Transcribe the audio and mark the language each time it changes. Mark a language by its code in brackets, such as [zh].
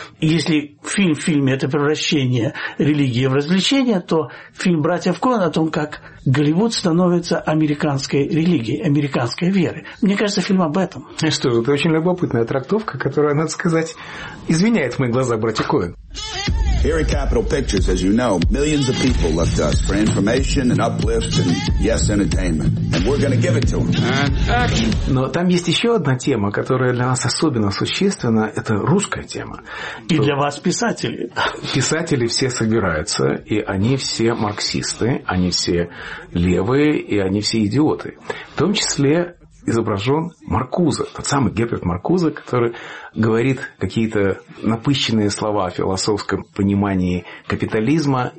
[ru] Если фильм в фильме – это превращение религии в развлечение, то фильм «Братьев Коэн» о том, как Голливуд становится американской религией, американской верой. Мне кажется, фильм об этом. Что же, это очень любопытная трактовка, которая, надо сказать, извиняет в мои глаза братьев Коэн. [en] Here at Capitol Pictures, as you know, millions of people look to us for information and uplift and, yes, entertainment. And we're going to give it to them. [ru] Но там есть еще одна тема, которая для нас особенно существенна. Это русская тема. И то для вас писатели. Писатели все собираются, и они все марксисты, они все левые, и они все идиоты. В том числе изображен Маркуза, тот самый Герберт Маркуза, который говорит какие-то напыщенные слова о философском понимании капитализма.